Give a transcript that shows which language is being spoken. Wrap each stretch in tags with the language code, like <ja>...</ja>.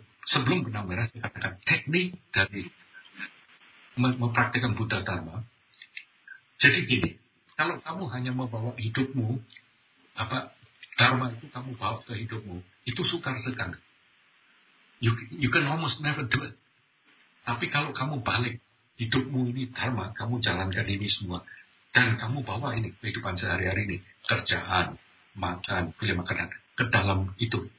<id>Sebelum benang merah, saya katakan teknik dari mempraktikkan Buddha Dharma. Jadi gini, kalau kamu hanya membawa hidupmu, apa Dharma itu kamu bawa ke hidupmu, itu sukar sekali.</id> <en>You can almost never do it.</en> <id>Tapi kalau kamu balik, hidupmu ini Dharma, kamu jalankan ini semua. Dan kamu bawa ini, kehidupan sehari-hari ini. Kerjaan, makan, pilih makanan. Ke dalam itu.</id>